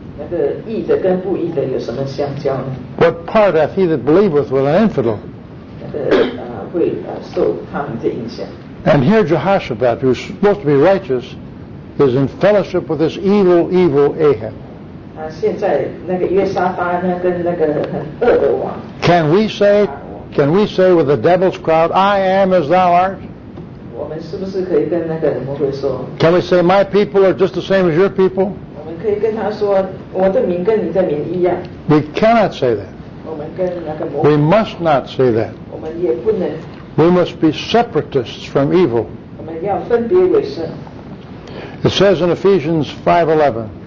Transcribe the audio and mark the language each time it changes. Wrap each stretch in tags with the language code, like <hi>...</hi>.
<en>What part hath he that believeth with an infidel? And here Jehoshaphat, who's supposed to be righteous, is in fellowship with this evil, evil Ahab.</en> <zh>现在那个约沙发呢，跟那个很恶的王。</zh> <en>Can we say with the devil's crowd, I am as thou art?</en> <zh>我们是不是可以跟那个魔鬼说</zh> <en>Can we say my people are just the same as your people?</en> <zh>我们可以跟他说我的名跟你的名一样</zh> <en>We cannot say that.</en> <zh>我们跟那个魔鬼</zh> <en>We must not say that.</en> <zh>我们也不能</zh> <en>We must be separatists from evil.</en> <zh>我们要分别为圣</zh> <en>It says in Ephesians 5:11</en>